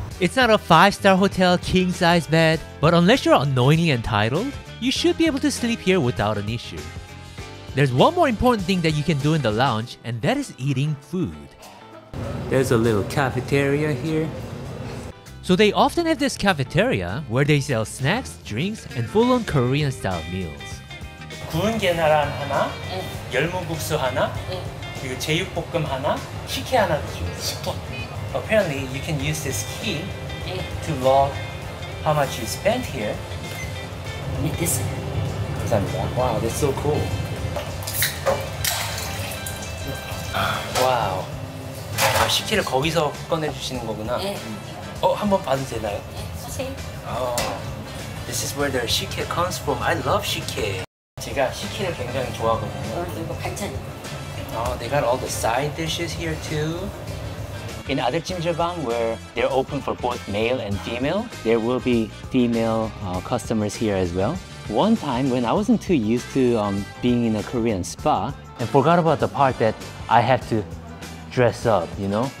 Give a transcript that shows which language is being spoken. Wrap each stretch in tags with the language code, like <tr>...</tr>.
<en>It's not a 5-star hotel king-size bed, but unless you're annoyingly entitled, you should be able to sleep here without an issue. There's one more important thing that you can do in the lounge, and that is eating food. There's a little cafeteria here. So they often have this cafeteria where they sell snacks, drinks, and full-on Korean-style meals.</en> <ko>구운 계란 하나, 열무국수 하나, 그리고 제육볶음 하나, 식혜 하나 주세요.</ko> <en>Apparently, you can use this key to log how much you spent here. Need this.</en> <ko>감사합니다.</ko> <en>Wow, that's so cool. Wow.</en> <ko>아, 식혜를 거기서 꺼내주시는 거구나. 어, 한번 봐도 되나요? 하세요.</ko> <en>This is where their 식혜 comes from. I love 식혜.</en> <ko>제가 식혜를 굉장히 좋아하거든요. 어, 이거 반찬.</ko> <en>Oh, they got all the side dishes here too. In other jjimjilbang, where they're open for both male and female, there will be female customers here as well. One time when I wasn't too used to being in a Korean spa, and forgot about the part that I have to dress up, you know?</en>